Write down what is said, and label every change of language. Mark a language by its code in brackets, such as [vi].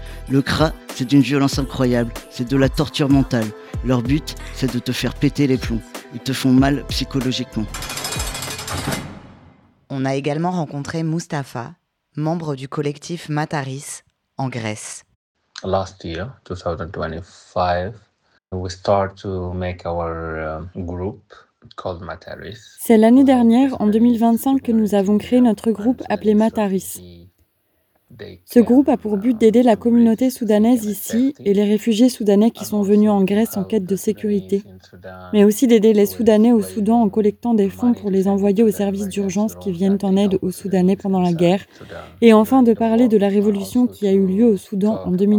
[fr] Le CRA, c'est d'une violence incroyable, c'est de la torture mentale. Leur but, c'est de te faire péter les plombs. Ils te font mal psychologiquement. On a également rencontré Mustapha, membre du collectif Mataris, en Grèce. [en] Last year, 2025, we start to make our group called Mataris. [fr] C'est l'année dernière, en 2025, que nous avons créé notre groupe appelé Mataris. Ce groupe a pour but d'aider la communauté soudanaise ici et les réfugiés soudanais qui sont venus en Grèce en quête de sécurité, mais aussi d'aider les Soudanais au Soudan en collectant des fonds pour les envoyer aux services d'urgence qui viennent en aide aux Soudanais pendant la guerre, et enfin de parler de la révolution qui a eu lieu au Soudan en